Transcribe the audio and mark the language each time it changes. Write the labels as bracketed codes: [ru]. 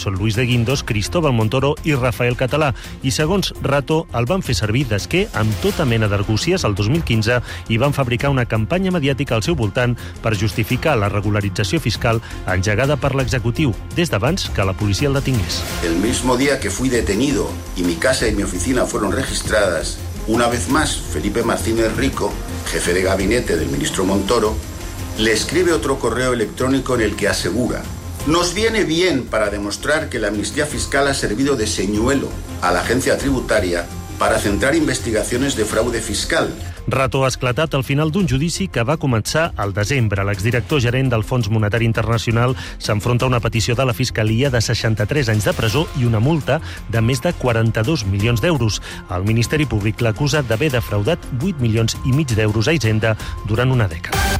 [ca] Són Luis de Guindos, Cristóbal Montoro i Rafael Català. I segons Rato, el van fer servir d'esquer amb tota mena d'argúcies el 2015 i van fabricar una campanya mediàtica al seu voltant per justificar la regularització fiscal engegada per l'executiu des d'abans que la policia el detingués. [es] El mismo día que fui detenido y mi casa y mi oficina fueron registradas, una vez más Felipe Martínez Rico, jefe de gabinete del ministro Montoro, le escribe otro correo electrónico en el que asegura: nos viene bien para demostrar que la amnistía fiscal ha servido de señuelo a la agencia tributaria para centrar investigaciones de fraude fiscal. [ca] Rato ha esclatat al final d'un judici que va començar al desembre. L'exdirector gerent del Fons Monetari Internacional s'enfronta a una petició de la Fiscalia de 63 anys de presó i una multa de més de 42 milions d'euros. El Ministeri Públic l'acusa d'haver defraudat 8 milions i mig d'euros a Hisenda durant una dècada.